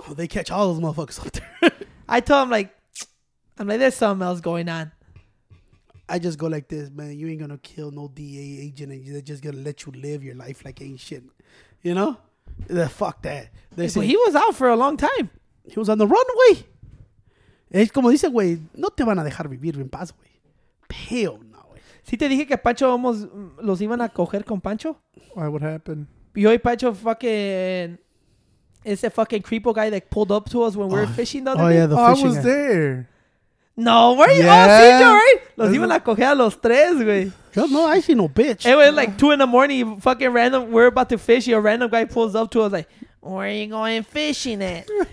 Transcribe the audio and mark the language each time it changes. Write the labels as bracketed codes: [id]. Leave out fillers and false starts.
[en] Oh, they catch all those motherfuckers up there. I told him like, there's something else going on. I just go like this, man. You ain't going to kill no DA agent. And they're just going to let you live your life like ain't shit. You know? Fuck that. But he was out for a long time. He was on the runway. [es] Es como dice, güey, no te van a dejar vivir en paz, güey. [en] Hell no, güey. [es] ¿Sí te dije que Pancho vamos, los iban a coger con Pancho? [en] Why, what happened? [es] Y hoy Pancho fucking... Ese [en] fucking creepo guy that pulled up to us when we were fishing the other day. Oh, yeah, the fishing guy. I was there. No, where you? Yeah. Oh, see, Joe, right? [es] Los iban a coger a los tres, güey. Yo no, [en] I see no bitch. It was like 2 a.m, fucking random. We're about to fish. A random guy pulls up to us like, where are you going fishing at?